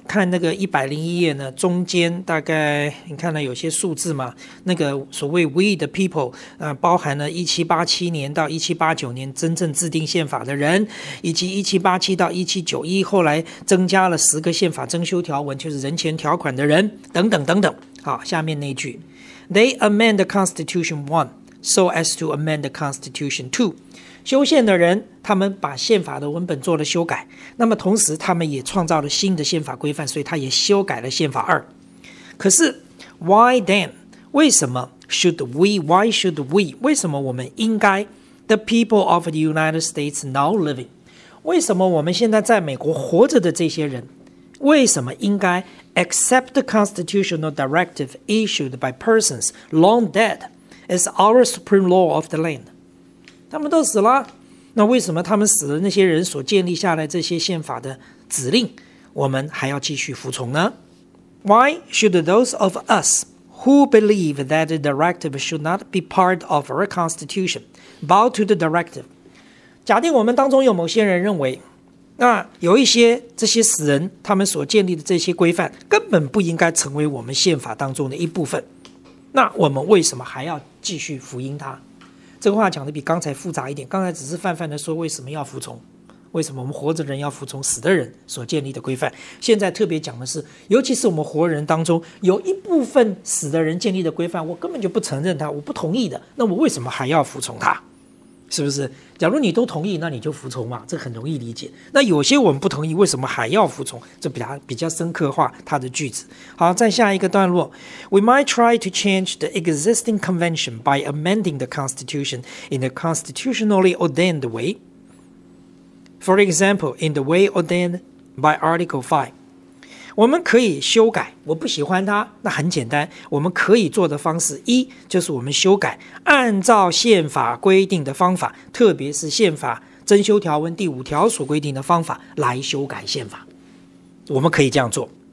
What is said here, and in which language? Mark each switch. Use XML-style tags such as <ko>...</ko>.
<zh>看那个101页呢，中间大概你看了有些数字嘛，那个所谓 We the People，包含了1787年到1789年真正制定宪法的人，以及1787到1791后来增加了10个宪法征修条文，就是人权条款的人等等等等。</zh> <en>好，下面那句 They amend the Constitution 1 so as to amend the Constitution 2。</en> <zh>修宪的人他们把宪法的文本做了修改，那么同时他们也创造了新的宪法规范，所以他也修改了宪法2。可是</zh> <en>Why then？</en> <zh>为什么</zh> <en>Should we？ Why should we？</en> <zh>为什么我们应该</zh> <en>The people of the United States now living？</en> <zh>为什么我们现在在美国活着的这些人为什么应该</zh> <en>accept the constitutional directive issued by persons long dead as our supreme law of the land？</en> <zh>他们都死了，那为什么他们死了那些人所建立下来这些宪法的指令我们还要继续服从呢？</zh> <en>Why should those of us who believe that the directive should not be part of our constitution bow to the directive？</en> <zh>假定我们当中有某些人认为那有一些这些死人他们所建立的这些规范根本不应该成为我们宪法当中的一部分，那我们为什么还要继续服膺它？这个话讲的比刚才复杂一点，刚才只是泛泛的说为什么要服从，为什么我们活着人要服从死的人所建立的规范，现在特别讲的是尤其是我们活人当中有一部分死的人建立的规范我根本就不承认它，我不同意的，那我为什么还要服从它？是不是？假如你都同意那你就服从嘛，这很容易理解。那有些我们不同意为什么还要服从，这比较深刻化他的句子。好，再下一个段落。</zh> <en>We might try to change the existing convention by amending the constitution in a constitutionally ordained way. For example, in the way ordained by Article 5.</en> <zh>我们可以修改，我不喜欢它，那很简单，我们可以做的方式一就是我们修改按照宪法规定的方法，特别是宪法征修条文第五条所规定的方法来修改宪法，我们可以这样做。</zh>